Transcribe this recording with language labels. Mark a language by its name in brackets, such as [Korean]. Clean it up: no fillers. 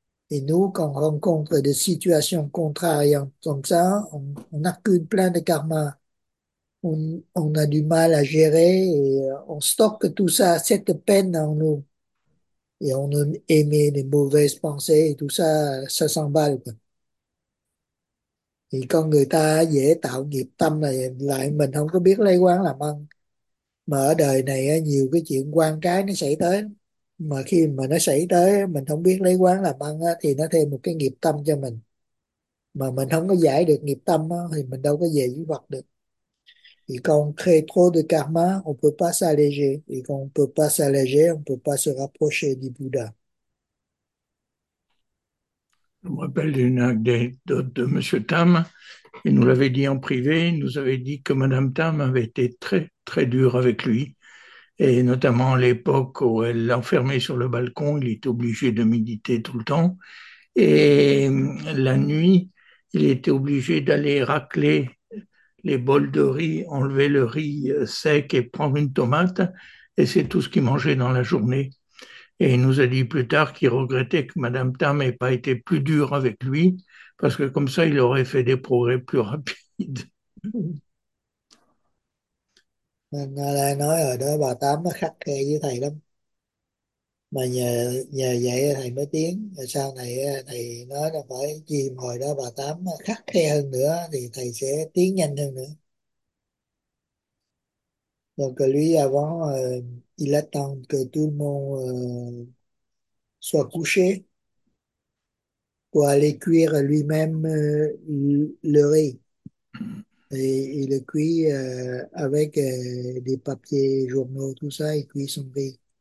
[French] Et nous, quand on rencontre des situations contrariantes comme ça, on accumule plein de karma. On a du mal à gérer et on stocke tout ça, cette peine en nous. Et on émet des mauvaises pensées et tout ça s'emballe. [Vietnamese] Thì con người ta dễ tạo nghiệp tâm này lại, mình không có biết lấy oán làm ăn. Mà ở đời này nhiều cái chuyện oan trái nó xảy tới. Mà khi mà nó xảy tới mình không biết lấy oán làm ăn thì nó thêm một cái nghiệp tâm cho mình. Mà mình không có giải được nghiệp tâm thì mình đâu có về với Phật được. Thì con [French] crée trop de karma, on peut pas s'alléger. Et quand on peut pas s'alléger, on peut pas se rapprocher du Bouddha. Je me rappelle d'une anecdote de M. Tam. Il nous l'avait dit en privé. Il nous avait dit que Mme Tam avait été très, très dure avec lui. Et notamment à l'époque où elle l'enfermait sur le balcon, il était obligé de méditer tout le temps. Et la nuit, il était obligé d'aller racler les bols de riz, enlever le riz sec et prendre une tomate. Et c'est tout ce qu'il mangeait dans la journée. Et il nous a dit plus tard qu'il regrettait que Madame Tam n'ait pas été plus dure avec lui, parce que comme ça, il aurait fait des progrès plus rapides. [Vietnamese] Nên là nói rồi đó, bà Tám nó khắt khe với thầy lắm. Mà nhờ nhờ vậy thầy mới tiến. Rồi sau này thầy nói là phải gì, hồi đó bà Tám khắt khe hơn nữa thì thầy sẽ tiến nhanh hơn nữa. [French] Donc lui avant, il attend que tout le monde soit couché pour aller cuire lui-même le riz. Et il le cuit avec des papiers journaux, tout ça, il cuit son riz.